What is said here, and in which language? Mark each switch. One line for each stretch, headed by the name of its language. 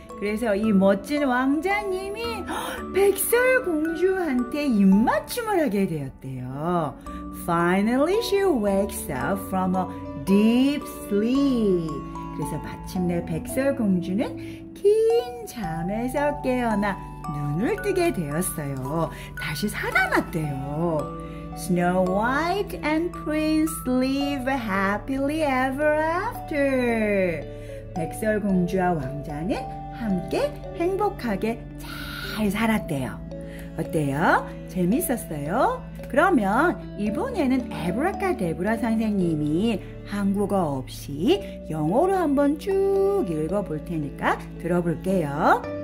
Korean: 그래서 이 멋진 왕자님이 백설공주한테 입맞춤을 하게 되었대요.
English: Finally, she wakes up from a deep sleep.
Korean: 그래서 마침내 백설공주는 긴 잠에서 깨어나 눈을 뜨게 되었어요. 다시 살아났대요.
English: Snow White and Prince live happily ever after.
Korean: 백설공주와 왕자는 함께 행복하게 잘 살았대요. 어때요? 재밌었어요? 그러면 이번에는 에브라카데브라 선생님이 한국어 없이 영어로 한번 쭉 읽어볼 테니까 들어볼게요.